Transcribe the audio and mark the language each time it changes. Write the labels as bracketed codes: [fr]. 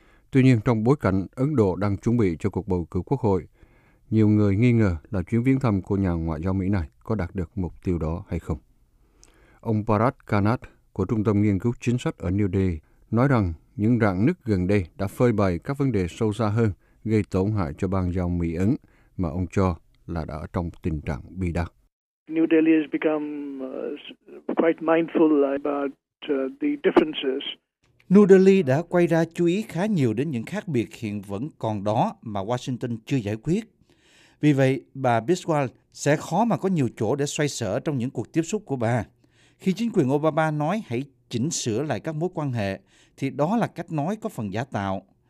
[vi] Tuy nhiên, trong bối cảnh Ấn Độ đang chuẩn bị cho cuộc bầu cử quốc hội, nhiều người nghi ngờ là chuyến viếng thăm của nhà ngoại giao Mỹ này có đạt được mục tiêu đó hay không. Ông Bharat Kanat của Trung tâm Nghiên cứu Chính sách ở New Delhi nói rằng những rạn nứt gần đây đã phơi bày các vấn đề sâu xa hơn gây tổn hại cho bang giao Mỹ-Ấn mà ông cho là đã trong tình trạng bi đát. [en] New Delhi has become quite mindful about the differences. [vi] New Delhi đã quay ra chú ý khá nhiều đến những khác biệt hiện vẫn còn đó mà Washington chưa giải quyết. Vì vậy, bà Biswal sẽ khó mà có nhiều chỗ để xoay sở trong những cuộc tiếp xúc của bà. Khi chính quyền Obama nói hãy chỉnh sửa lại các mối quan hệ, thì đó là cách nói có phần giả tạo.